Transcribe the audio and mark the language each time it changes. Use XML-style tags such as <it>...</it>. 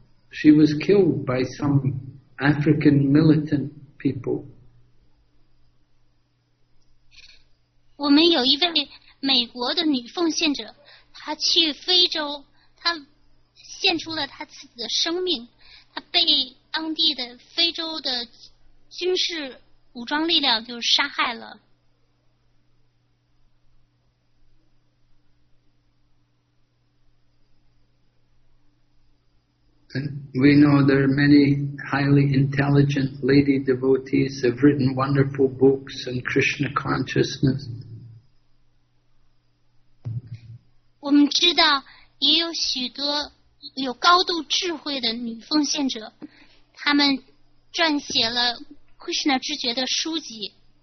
<en>She was killed by some African militant people.</en> <zh>我们有一位美国的女奉献者，她去非洲，她献出了她自己的生命，她被当地的非洲的军事武装力量就杀害了。</zh> <en>And we know there are many highly intelligent lady devotees who have written wonderful books on Krishna consciousness.</en> <zh>我们知道也有许多有高度智慧的女奉献者，她们撰写了 Krishna 知觉的书籍。</zh>